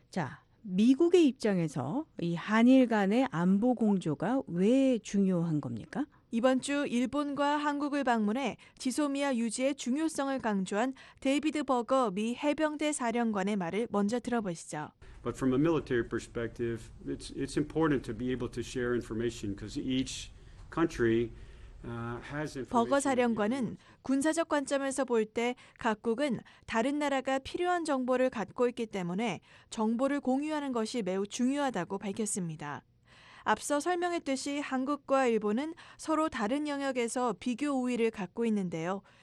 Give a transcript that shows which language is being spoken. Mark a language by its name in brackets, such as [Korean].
[Korean] 자, 미국의 입장에서 이 한일 간의 안보 공조가 왜 중요한 겁니까? 이번 주 일본과 한국을 방문해 지소미아 유지의 중요성을 강조한 데이비드 버거 미 해병대 사령관의 말을 먼저 들어보시죠. [English] But from a military perspective, it's important to be able to share information because each country has information. [Korean] 버거 사령관은 군사적 관점에서 볼 때 각국은 다른 나라가 필요한 정보를 갖고 있기 때문에 정보를 공유하는 것이 매우 중요하다고 밝혔습니다. 앞서 설명했듯이 한국과 일본은 서로 다른 영역에서 비교 우위를 갖고 있는데요.